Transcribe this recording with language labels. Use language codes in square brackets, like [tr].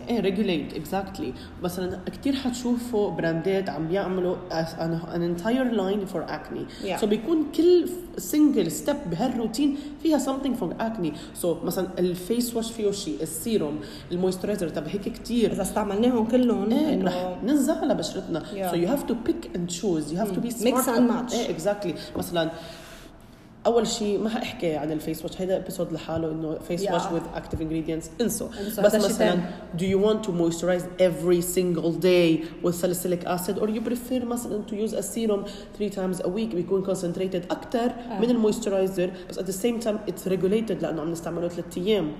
[ar] إيه regulate exactly مثلا كتير حتشوفوا براندات عم بيعملوا [en] an entire line for acne yeah. so بيكون كل single step بهالروتين فيها something for acne so مثلا الفيس واش فيه شيء السيروم المويسترايزر طب هيك كتير [ar] إذا استعملناهم كلهم إيه إنه ننزل على بشرتنا [en] yeah. so you have to pick and choose you have to be smart mix and match [ar] إيه exactly مثلا أول شيء ما هحكي عن الفيس واش, هذا إبسود لحاله إنه فيس واش [en] with active ingredients [ar] إنسو. بس مثلاً [en] do you want to moisturize every single day with salicylic acid or you prefer [ar] مثلاً [en] to use a serum 3 times a week [ar] بيكون [en] concentrated [ar] أكتر من الموسترايزر, بس [en] at the same time it's regulated [ar] لأنه عم نستعمله 3 أيام.